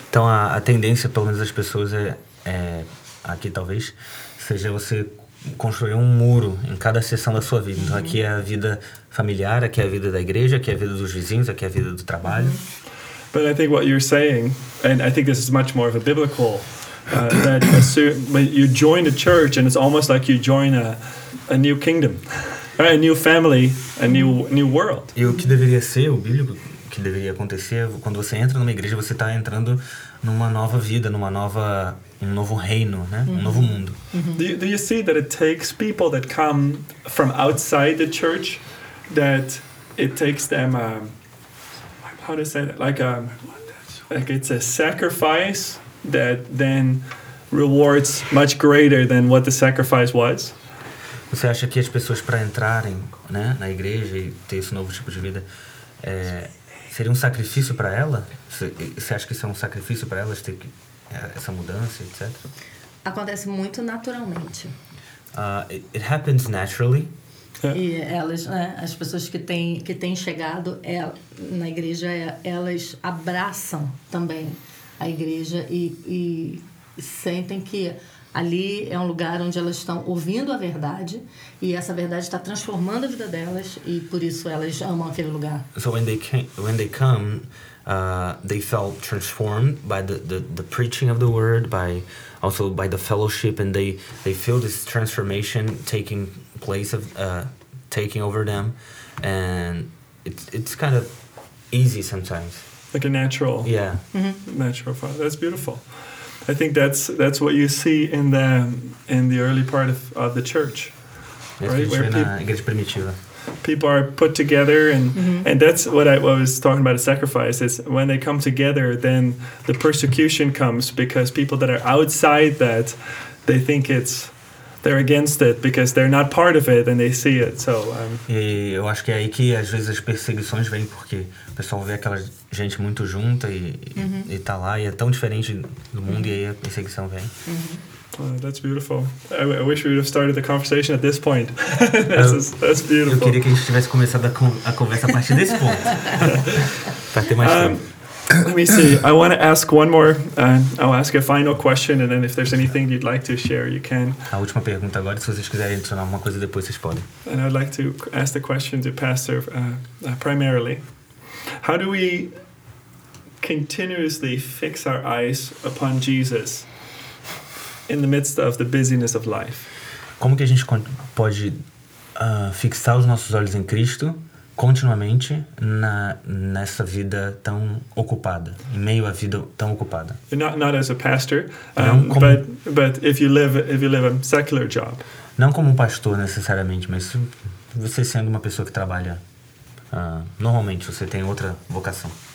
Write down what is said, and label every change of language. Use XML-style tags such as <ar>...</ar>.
<pt>Então a tendência, pelo menos as pessoas, é aqui talvez, seja você construir um muro em cada seção da sua vida. Então aqui é a vida familiar, aqui é a vida da igreja, aqui é a vida dos vizinhos, aqui é a vida do trabalho.</pt> <en>But I think what you're saying, and I think this is much more of a biblical, that when you join a church and it's almost like you join a new kingdom, right? A new family, a new world.</en> <pt>E o que deveria ser o bíblico? Que deveria acontecer quando você entra numa igreja, você está entrando numa nova vida, numa nova, um novo reino, né? Um novo mundo.</pt> <en>Do you see that it takes people that come from outside the church, that it takes them how to say that, like it's a sacrifice that then rewards much greater than what the sacrifice was?</en> <pt>Você acha que as pessoas, para entrarem, né, na igreja e ter esse novo tipo de vida, seria um sacrifício para ela? Você acha que isso é um sacrifício para elas, ter que, essa mudança, etc? Acontece muito naturalmente.</pt> <en>It happens naturally.</en> <pt>E elas, né, as pessoas que têm chegado na igreja, elas abraçam também a igreja e sentem que ali é um lugar onde elas estão ouvindo a verdade e essa verdade está transformando a vida delas e por isso elas amam aquele lugar.</pt> <en>So when they come, they felt transformed by the preaching of the word, by also by the fellowship, and they feel this transformation taking place of taking over them, and it's kind of easy sometimes. Like a natural. Yeah. Mm-hmm. Natural. That's beautiful. I think that's what you see in the early part of the church, right? Where</en> <pt>igreja primitiva.</pt> <en>People are put together, and that's what I was talking about, a sacrifice, is when they come together, then the persecution comes, because people that are outside that, they think they're against it, because they're not part of it, and they see it, so...</en> <pt>E eu acho que é aí que às vezes as perseguições vêm, porque o pessoal vê aquela gente muito junta e tá lá, e é tão diferente do mundo, e aí a perseguição vem.</pt> <en>That's beautiful. I wish we would have started the conversation at this point. that's beautiful.</en> <pt>Eu queria que a gente tivesse começado a conversa a partir desse ponto. Pra ter mais tempo.</pt> <en>Let me see. I want to ask one more. I'll ask a final question, and then if there's anything you'd like to share, you can.</en> <pt>A última pergunta agora. Se vocês quiserem adicionar alguma coisa depois, vocês podem.</pt> <en>And I'd like to ask the question to Pastor primarily. How do we continuously fix our eyes upon Jesus in the midst of the busyness of life?</en> <pt>Como que a gente pode fixar os nossos olhos em Cristo continuamente nessa vida tão ocupada, em meio à vida tão ocupada?</pt> <en>Not as a pastor, but if you live a secular job.</en> <pt>Não como um pastor necessariamente, mas você sendo uma pessoa que trabalha normalmente, você tem outra vocação.</pt>